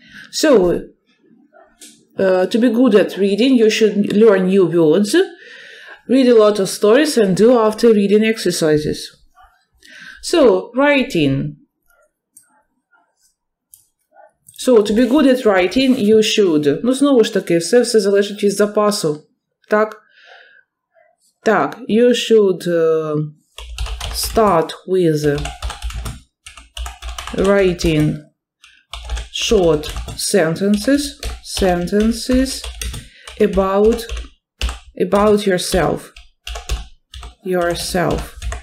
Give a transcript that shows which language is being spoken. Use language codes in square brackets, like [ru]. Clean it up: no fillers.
[en] So, to be good at reading, you should learn new words, read a lot of stories, and do after reading exercises. So, writing. So, to be good at writing, you should. [uk] Ну, знову ж таки, все залежить від запасу. Так? Так, [en] you should start with writing short sentences about yourself.